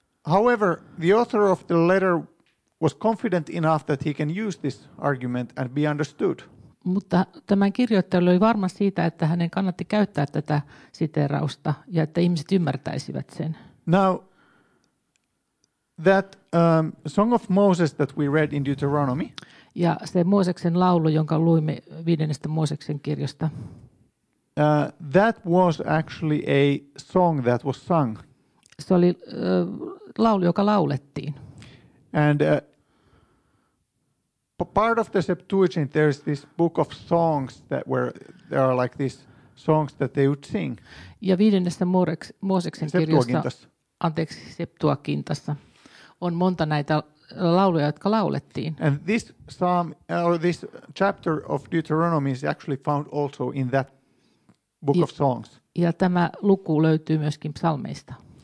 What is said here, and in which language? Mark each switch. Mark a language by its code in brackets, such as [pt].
[en] However, the author of the letter was confident enough that he can use this argument and be understood. [fi] Mutta tämän kirjoittaja oli varma siitä, että hänen kannatti käyttää tätä siteerausta ja että ihmiset ymmärtäisivät sen. [en] Now, that Song of Moses that we read in Deuteronomy. [fi] Ja se Mooseksen laulu, jonka luimme viidennestä Mooseksen kirjasta. [en] That was actually a song that was sung. [fi] Se oli laulu, joka laulettiin. [en] And part of the Septuagint, there is this book of songs that were there are like these songs that they would sing. [fi] Ja viidennessä Mooseksen kirjassa, anteeksi, Septuagintassa, on monta näitä lauluja, jotka laulettiin. [en] And this psalm or this chapter of Deuteronomy is actually found also in that book of songs. [fi] Ja tämä luku löytyy myöskin psalmeista.